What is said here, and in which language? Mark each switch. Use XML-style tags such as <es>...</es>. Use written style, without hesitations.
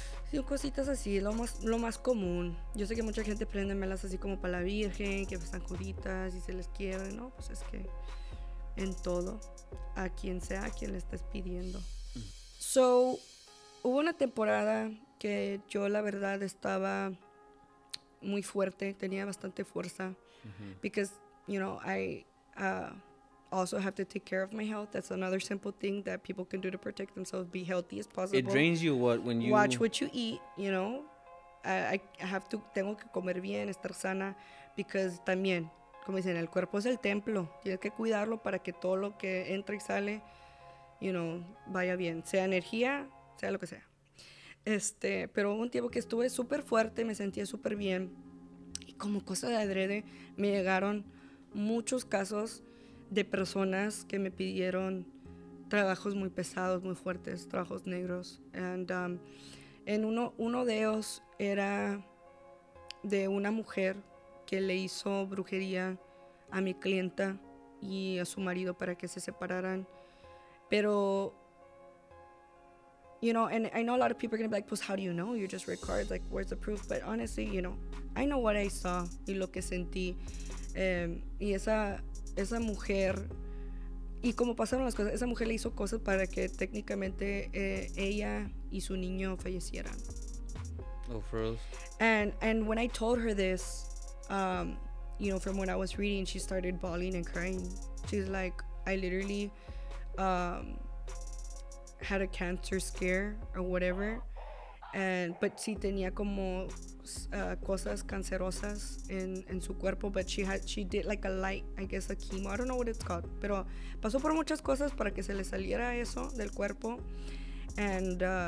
<es>Sí, cositas así, lo más común. Yo sé que mucha gente prende velas así como para la Virgen, que están juditas y se les quiebra, ¿no? Pues es que en todo, a quien sea, a quien le estés pidiendo. So, hubo una temporada que yo la verdad estaba muy fuerte, tenía bastante fuerza. Mm-hmm.</es> <en>Because, you know, I also have to take care of my health. That's another simple thing that people can do to protect themselves, be healthy as possible. It drains you what when you watch what you eat, you know. I have to,</en> <es>tengo que comer bien, estar sana, because también, como dicen, el cuerpo es el templo. Tienes que cuidarlo para que todo lo que entra y sale,</es> <en>you know,</en> <es>vaya bien, sea energía, sea lo que sea. Pero un tiempo que estuve súper fuerte, me sentía súper bien. Y como cosa de adrede, me llegaron muchos casos de personas que me pidieron trabajos muy pesados, muy fuertes, trabajos negros. And en uno de ellos era de una mujer que le hizo brujería a mi clienta y a su marido para que se separaran.</es> <en>Pero, you know, and I know a lot of people are going to be like, pues, how do you know? You just read cards, like, where's the proof? But honestly, you know, I know what I saw</en> <es>y lo que sentí. Y esa mujer, y cómo pasaron las cosas, esa mujer le hizo cosas para que técnicamente ella y su niño fallecieran.</es> <en>Oh, for real? And when I told her this, you know, from what I was reading, she started bawling and crying. She's like, I literally had a cancer scare or whatever, and but</en> <es>sí tenía como cosas cancerosas en su cuerpo,</es> <en>but she did like a light, I guess a chemo, I don't know what it's called,</en> <es>pero pasó por muchas cosas para que se le saliera eso del cuerpo,</es> <en>and</en>